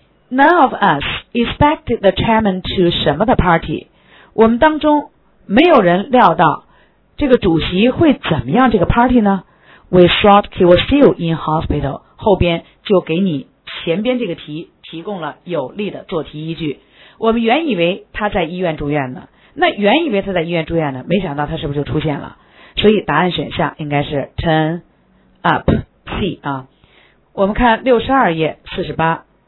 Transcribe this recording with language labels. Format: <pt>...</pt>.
<en>None of us expected the chairman to 什么的 party.</en> <zh>我们当中没有人料到这个主席会怎么样这个 party 呢？</zh> <en>We thought he was still in hospital.</en> <zh>后边就给你前边这个题提供了有力的做题依据。我们原以为他在医院住院呢，那原以为他在医院住院呢，没想到他是不是就出现了。所以答案选项应该是 turn up C 啊。我们看62页48。</zh>